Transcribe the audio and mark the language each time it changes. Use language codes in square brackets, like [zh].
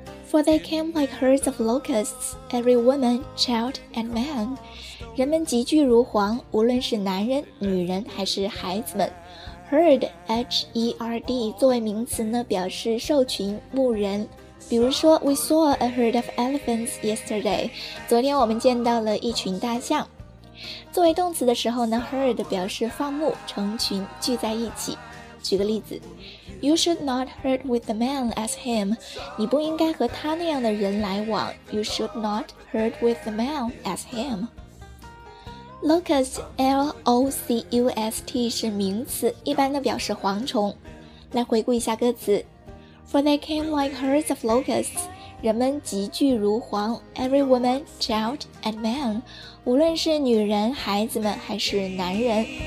[en] For they came like herds of locusts, every woman, child and man. [zh] 人们集聚如蝗，无论是男人、女人还是孩子们。 Herd, H-E-R-D, 作为名词呢，表示兽群、牧人。比如说 [en] ,We saw a herd of elephants yesterday. [zh] 昨天我们见到了一群大象。作为动词的时候呢 ,herd 表示放牧、成群、聚在一起。举个例子 [en] ,You should not herd with the man as him. [zh] 你不应该和他那样的人来往。 [en] You should not herd with the man as him. Locust, L-O-C-U-S-T [zh] 是名词，一般的表示蝗虫。来回顾一下歌词 [en] For they came like herds of locusts, [zh] 人们集聚如蝗 [en] Every woman, child and man [zh] 无论是女人、孩子们还是男人。